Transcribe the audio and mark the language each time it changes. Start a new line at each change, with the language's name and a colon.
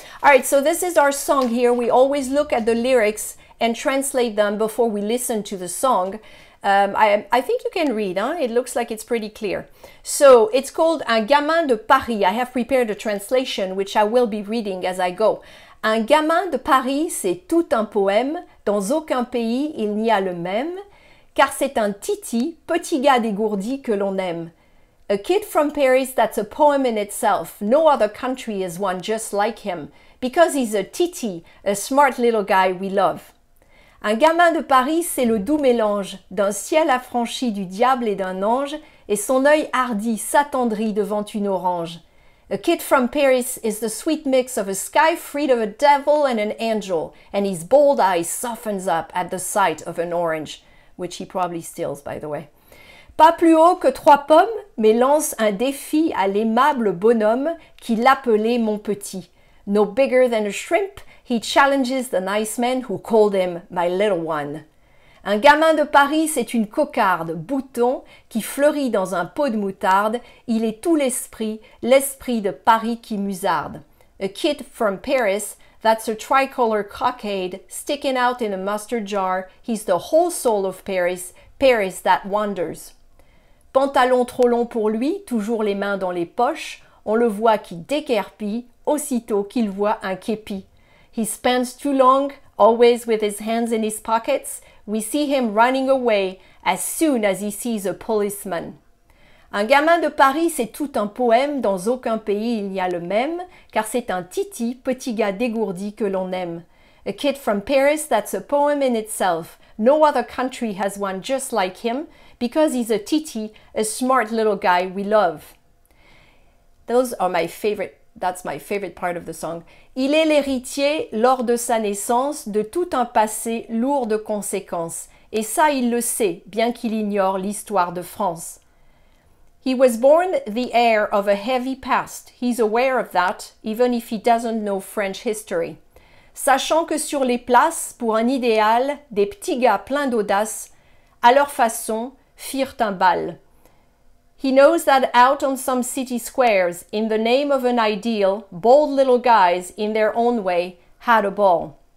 English: All right, so this is our song here. We always look at the lyrics and translate them before we listen to the song. I think you can read, huh? It looks like it's pretty clear. So it's called Un gamin de Paris. I have prepared a translation, which I will be reading as I go.
French: Un gamin de Paris, c'est tout un poème. Dans aucun pays, il n'y a le même. Car c'est un titi, petit gars dégourdi que l'on aime.
English: A kid from Paris, that's a poem in itself. No other country is one just like him. Because he's a titi, a smart little guy we love.
French: Un gamin de Paris, c'est le doux mélange d'un ciel affranchi du diable et d'un ange, et son œil hardi s'attendrit devant une orange.
English: A kid from Paris is the sweet mix of a sky freed of a devil and an angel, and his bold eye softens up at the sight of an orange, which he probably steals, by the way.
French: Pas plus haut que trois pommes, mais lance un défi à l'aimable bonhomme qui l'appelait mon petit.
English: No bigger than a shrimp, he challenges the nice man who called him my little one.
French: Un gamin de Paris, c'est une cocarde, bouton, qui fleurit dans un pot de moutarde. Il est tout l'esprit, l'esprit de Paris qui musarde.
English: A kid from Paris, that's a tricolor cockade, sticking out in a mustard jar. He's the whole soul of Paris, Paris that wanders.
French: Pantalon trop long pour lui, toujours les mains dans les poches. On le voit qui déguerpit, aussitôt qu'il voit un képi.
English: His pants too long, always with his hands in his pockets. We see him running away as soon as he sees a policeman.
French: Un gamin de Paris, c'est tout un poème. Dans aucun pays, il n'y a le même. Car c'est un titi, petit gars dégourdi que l'on aime.
English: A kid from Paris, that's a poem in itself. No other country has one just like him. Because he's a titi, a smart little guy we love. Those are my favorite. That's my favorite part of the song.
French: Il est l'héritier, lors de sa naissance, de tout un passé lourd de conséquences. Et ça, il le sait, bien qu'il ignore l'histoire de France.
English: He was born the heir of a heavy past. He's aware of that, even if he doesn't know French history.
French: Sachant que sur les places, pour un idéal, des petits gars pleins d'audace, à leur façon, firent un bal.
English: He knows that out on some city squares, in the name of an ideal, bold little guys, in their own way, had a ball.